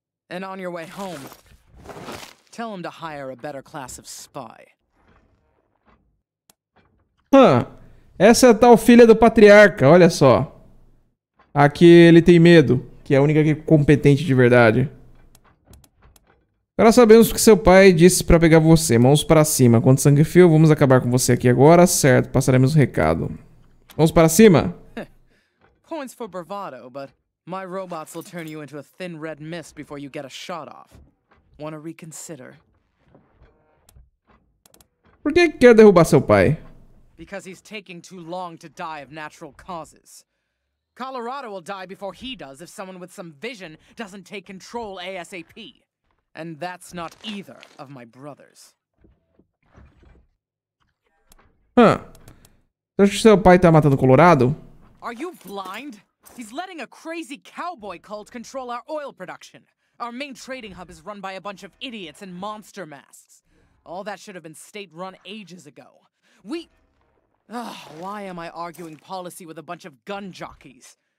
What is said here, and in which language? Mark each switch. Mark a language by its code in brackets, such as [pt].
[en] And on your way home, tell him to hire a better class of spy. [pt] Essa é a tal filha do patriarca, olha só. Aqui ele tem medo, que é a única que é competente de verdade. Agora sabemos o que seu pai disse pra pegar você. Mãos pra cima. Quanto sangue e fio, vamos acabar com você aqui agora. Certo, passaremos o recado. Mãos pra cima! [en] Points for bravado, but my robots will turn you into a thin red mist before you get a shot off. Wanna reconsider? [pt] Por que quer derrubar seu pai? [en] Because he's taking too long to die of natural causes. Colorado will die before he does if someone with some vision doesn't take control ASAP. And that's not either of my brothers. [pt] Você acha que seu pai tá matando o Colorado? [en] Are you blind? He's letting a crazy cowboy cult control our oil production. Our main trading hub is run by a bunch of idiots in monster masks. All that should have been state-run ages ago. We... Ugh, why am I arguing policy with a bunch of gun jockeys?